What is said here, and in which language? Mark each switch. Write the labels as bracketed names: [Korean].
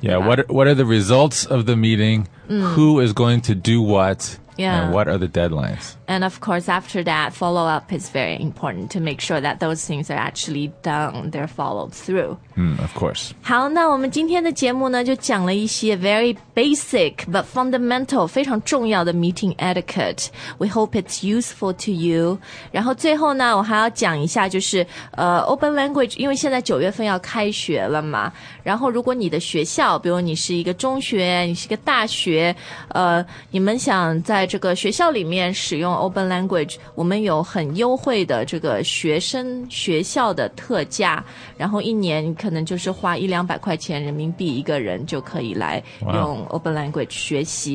[English] Yeah, what are the results of the meeting? Who is going to do what? Yeah. And what are the deadlines? And of course, after that, follow up is very important to make sure that those things are actually done, they're followed through. Of course. [Chinese] 好，那我们今天的节目呢，就讲了一些 [English] very basic but fundamental [Chinese] 非常重要的 [English] meeting etiquette. We hope it's useful to you. [Chinese] 然后最后呢，我还要讲一下，就是open language, 因为现在九月份要开学了嘛。然后如果你的学校，比如你是一个中学，你是一个大学，你们想在这个学校里面使用 open language, 我们有很优惠的这个学生学校的特价，然后一年可能就是花一两百块钱人民币一个人就可以来用 open language 学习。